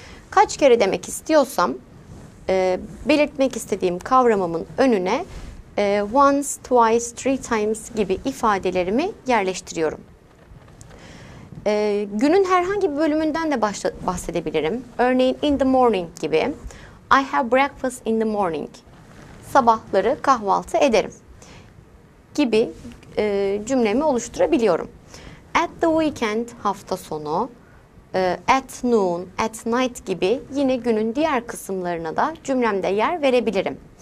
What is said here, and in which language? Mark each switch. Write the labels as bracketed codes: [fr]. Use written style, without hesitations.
[tr] Kaç kere demek istiyorsam belirtmek istediğim kavramımın önüne [en] once, twice, three times [tr] gibi ifadelerimi yerleştiriyorum. Günün herhangi bir bölümünden de bahsedebilirim. Örneğin [en] in the morning [tr] gibi. [en] I have breakfast in the morning. [tr] Sabahları kahvaltı ederim gibi cümlemi oluşturabiliyorum. [en] At the weekend, [tr] hafta sonu, [en] at noon, at night [tr] gibi yine günün diğer kısımlarına da cümlemde yer verebilirim.